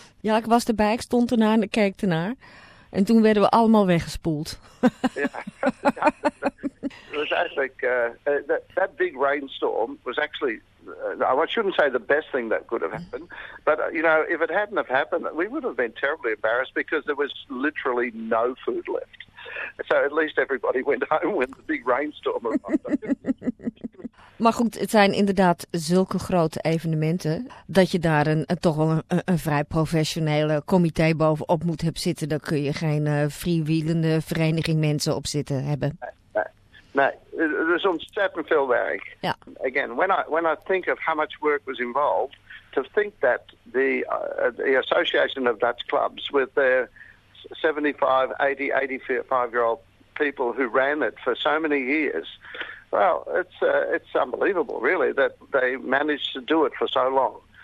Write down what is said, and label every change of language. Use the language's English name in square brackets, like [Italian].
[Dutch] Ja, ik was erbij, ik stond ernaar en ik keek ernaar. En toen werden we allemaal weggespoeld. Ja, het was eigenlijk, [English] that big rainstorm was actually, I shouldn't say the best thing that could have happened, but you know, if it hadn't have happened, we would have been terribly embarrassed, because there was literally no food left. So at least everybody went home when the big rainstorm arrived. [Dutch] Maar goed, het zijn inderdaad zulke grote evenementen dat je daar een vrij professionele comité bovenop moet hebben zitten. Daar kun je geen freewheelende vereniging mensen op zitten hebben. Nee, er is ontzettend veel werk. Ja. [English] Again, when I think of how much work was involved, to think that the Association of Dutch Clubs, with their 75, 80, 85-year-old people who ran it for so many years, well, it's unbelievable, really, that they managed to do it for so long.